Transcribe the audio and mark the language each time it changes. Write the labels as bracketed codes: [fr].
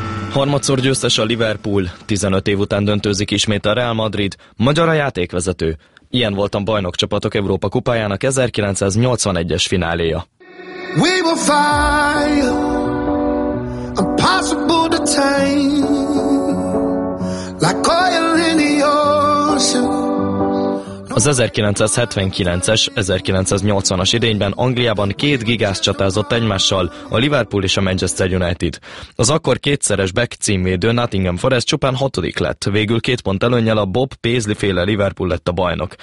[hu] Harmadszor győztes a Liverpool, 15 év után döntőzik ismét a Real Madrid, magyar a játékvezető. Ilyen volt a bajnok csapatok Európa kupájának 1981-es fináléja. [en] We will find impossible to tame, like oil in the ocean. [hu] Az 1979-es, 1980-as idényben Angliában két gigász csatázott egymással, a Liverpool és a Manchester United. Az akkor kétszeres back címvédő Nottingham Forest csupán hatodik lett, végül két pont előnnyel a Bob Paisley-féle Liverpool lett a bajnok.